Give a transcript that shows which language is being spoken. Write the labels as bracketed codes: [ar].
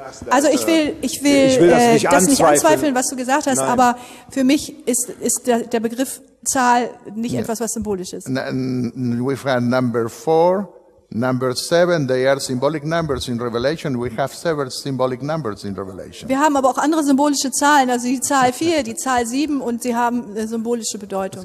[de] Also ich will das nicht anzweifeln, was du gesagt hast, aber für mich ist der Begriff Zahl nicht etwas, was symbolisch ist. [en] We find number 4, number 7, they are symbolic numbers in Revelation. We have several symbolic numbers in Revelation. [de] Wir haben aber auch andere symbolische Zahlen, also die Zahl 4, die Zahl 7 und sie haben eine symbolische Bedeutung.